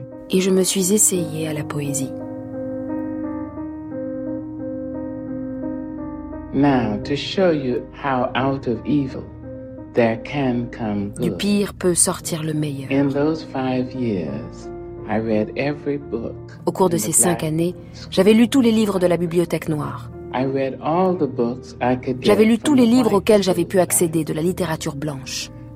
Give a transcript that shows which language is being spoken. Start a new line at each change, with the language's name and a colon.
French: Et je me suis essayée à la poésie.
English: Now, to show you how out of evil there can come good.
French: Du pire peut sortir le meilleur.
English: In those 5 years, I read every book.
French: Au cours de ces 5 années, j'avais lu tous les livres de la bibliothèque noire.
English: I read all the books I could get.
French: J'avais lu tous les livres auxquels j'avais pu accéder de la littérature blanche.